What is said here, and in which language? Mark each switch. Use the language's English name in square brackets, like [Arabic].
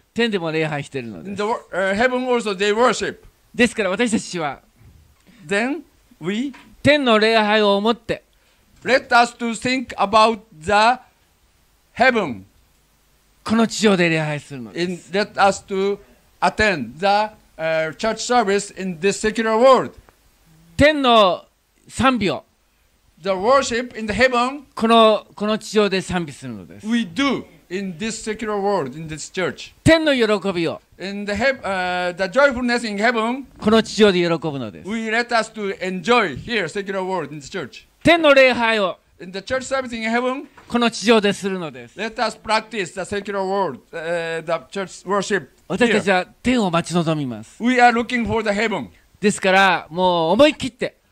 [Japanese] 天でも礼拝しているのです。 [English] Heaven also they worship. [Japanese] ですから私たちは、 [English] Then we [Japanese] 天の礼拝を思って、 [English] Let us to think about the heaven. [Japanese] この地上で礼拝するのです。 [English] Let us to attend the church service in this secular world. [Japanese] 天の賛美を、 [English] The worship in the heaven. [Japanese] この地上で賛美するのです。 [English] We do. In this secular world, in this church. [Japanese] 天の喜びを [English] in the joyfulness in heaven, [Japanese] この地上で喜ぶのです。 [English] We let us to enjoy here, secular world, in this church. [Japanese] 天の礼拝を [English] in the church service in heaven, [Japanese] この地上でするのです。 [English] Let us practice the secular world, the church worship here. [Japanese] 私たちは天を待ち望みます。 [English] We are looking for the heaven. [Japanese] ですから、もう思い切って